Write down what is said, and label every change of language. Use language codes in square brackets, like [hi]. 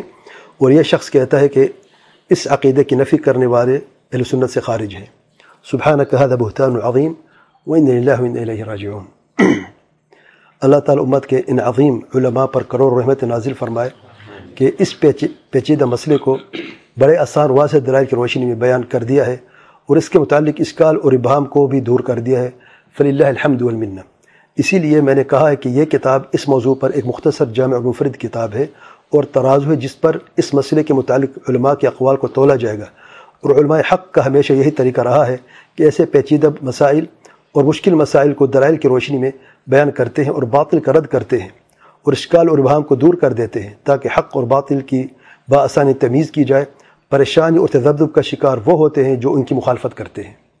[ur] اور یہ شخص کہتا ہے کہ اس عقیدے کی نفی کرنے والے اہل سنت سے خارج ہیں. [ar] سبحانك هذا بهتان عظيم وإن لله وإن إليه راجعون. [ur] اللہ تعالی امت کے ان عظیم علماء پر کروڑ رحمت نازل فرمائے. کہ اس پیچیدہ مسئلے کو بڑے آسان واضح دلائل کی روشنی میں بیان کر دیا ہے اور اس کے متعلق اشکال اور ابہام کو بھی دور کر دیا ہے، [ar] فللہ الحمد والمنہ۔ [ur] اسی لیے میں نے کہا ہے کہ یہ کتاب اس موضوع پر ایک مختصر جامع و منفرد کتاب ہے اور ترازو ہے جس پر اس مسئلے کے متعلق علماء کے اقوال کو تولا جائے گا، اور علماء حق کا ہمیشہ یہی طریقہ رہا ہے کہ ایسے پیچیدہ مسائل اور مشکل مسائل کو دلائل کی روشنی میں بیان کرتے ہیں اور باطل کا رد کرتے ہیں اور اشکال اور ابہام کو دور کر دیتے ہیں تاکہ حق اور باطل کی بآسانی تمیز کی جائے۔ پریشانی اور تذبذب کا شکار وہ ہوتے ہیں جو ان کی مخالفت کرتے ہیں۔